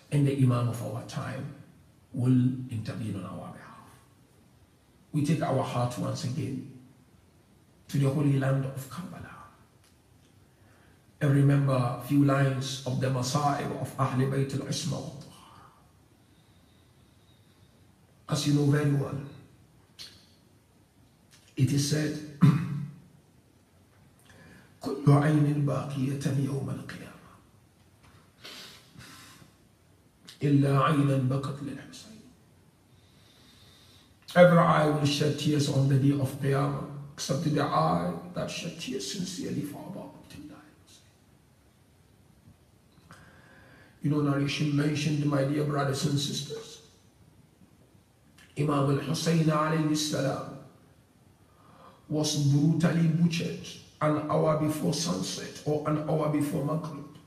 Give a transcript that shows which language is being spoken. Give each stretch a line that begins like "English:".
English: And the Imam of our time will intervene on our behalf. We take our heart once again to the holy land of Karbala. And remember a few lines of the Masa'ib of Ahlul Bayt al-Isma wa Tahara. As you know very well, it is said,
Arabic: كل عين باقية يوم القيامة إلا عينا بقت للحسين.
English: Every eye will shed tears on the day of Qiyamah except the eye that shed tears sincerely for Abu Abdullah. You know, narration mentioned, my dear brothers and sisters, Imam al-Husayn alayhi salam was brutally butchered an hour before sunset or an hour before Maghrib.